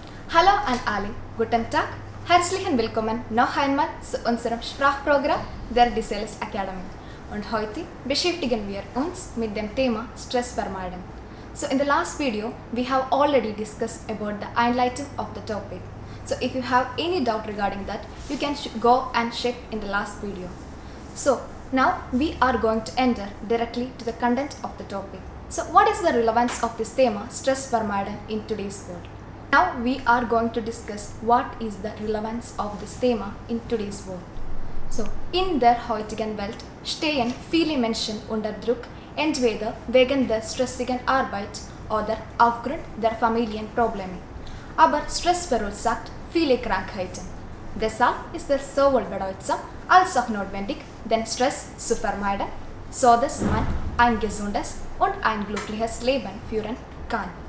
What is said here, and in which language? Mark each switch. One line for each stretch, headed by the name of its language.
German: Hallo an alle, guten Tag, herzlichen willkommen noch einmal zu unserem Sprachprogramm der Dieselis Academy. Und heute beschäftigen wir uns mit dem Thema Stress Vermeiden.
English: So in the last video, we have already discussed about the enlightenment of the topic. So if you have any doubt regarding that, you can go and check in the last video. So now we are going to enter directly to the content of the topic. So what is the relevance of this thema, Stress Vermeiden, in today's world? Now we are going to discuss what is the relevance of this thema in today's world.
German: So in der heutigen Welt stehen viele Menschen unter Druck, entweder wegen der stressigen Arbeit oder aufgrund der Familienprobleme. Aber Stress verursacht viele Krankheiten. Deshalb ist es sowohl bedeutsam als auch notwendig, den Stress zu vermeiden, so dass man ein gesundes und ein glückliches Leben führen kann.